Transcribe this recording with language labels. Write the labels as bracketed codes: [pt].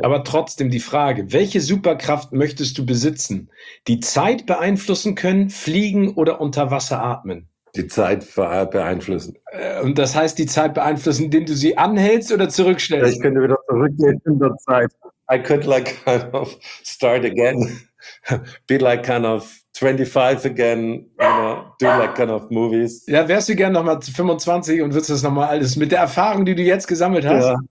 [de] Aber trotzdem die Frage, welche Superkraft möchtest du besitzen? Die Zeit beeinflussen können, fliegen oder unter Wasser atmen? Die Zeit beeinflussen. Und das heißt, die Zeit beeinflussen, indem du sie anhältst oder zurückstellst? Ich könnte wieder zurückgehen in der Zeit. [en] I could like kind of start again. Be like kind of 25 again, you know, do like kind of movies. [de] Ja, wärst du gerne nochmal 25 und würdest das nochmal alles mit der Erfahrung, die du jetzt gesammelt hast?